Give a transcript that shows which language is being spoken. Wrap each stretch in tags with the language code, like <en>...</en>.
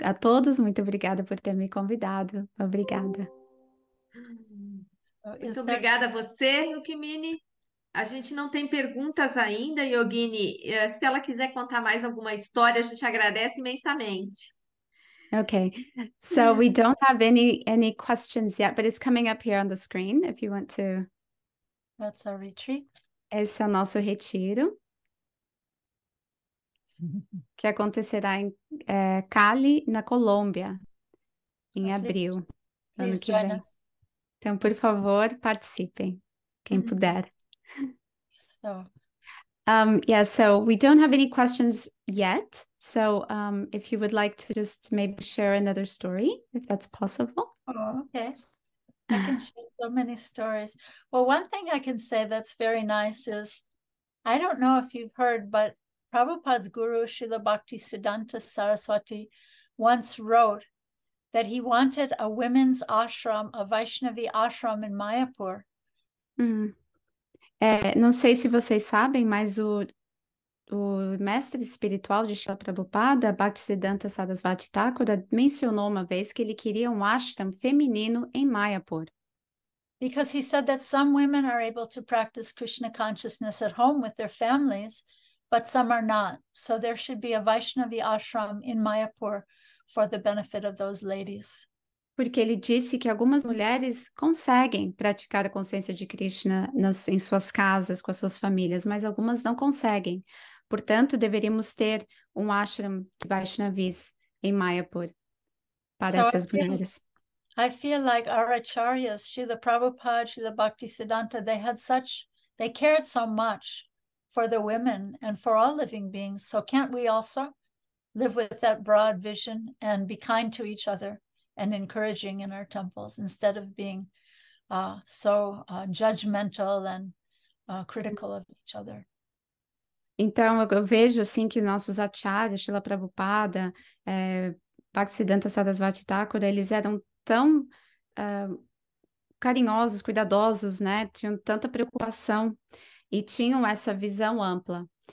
<pt>A todos, muito obrigada por ter me convidado. Obrigada. Muito obrigada a você, Rukmini. A gente não tem perguntas ainda, Yogini. Se ela quiser contar mais alguma história, a gente agradece imensamente.</pt> <en>Okay. So we don't have any questions yet, but it's coming up here on the screen if you want to... That's our retreat.</en> <pt>Esse é o nosso retiro. Que acontecerá em Cali, na Colômbia, em abril, ano que vem. Então, por favor, participem, quem puder.</pt> <en>So. So we don't have any questions yet. So if you would like to just maybe share another story, if that's possible. Okay. I can share so many stories. Well, one thing I can say that's very nice is, I don't know if you've heard, but Prabhupada's guru, Srila Bhakti Siddhanta Saraswati, once wrote that he wanted a women's ashram, a Vaishnavi ashram in Mayapur.</en> <pt>Não sei se vocês sabem, mas o mestre espiritual de Srila Prabhupada, Bhaktisiddhanta Sarasvati Thakura, mencionou uma vez que ele queria um ashram feminino em Mayapur.</pt> <en>Because he said that some women are able to practice Krishna consciousness at home with their families, but some are not. So there should be a Vaishnavi ashram in Mayapur for the benefit of those ladies.</en> <pt>Porque ele disse que algumas mulheres conseguem praticar a consciência de Krishna em suas casas, com as suas famílias, mas algumas não conseguem. Portanto, deveríamos ter um ashram de Vaishnavis em Mayapur para</pt> <en>So</en> <pt>essas mulheres.</pt> <en>I feel like our acharyas, Srila Prabhupada, Srila Bhaktisiddhanta, they cared so much for the women and for all living beings. So can't we also live with that broad vision and be kind to each other and encouraging in our temples instead of being so judgmental and critical of each other?</en> <pt>Então, eu vejo assim que nossos acharyas, Srila Prabhupada, Bhaktisiddhanta Sarasvati Thakura, eles eram tão carinhosos, cuidadosos, né? Tinham tanta preocupação e tinham essa visão ampla.</pt>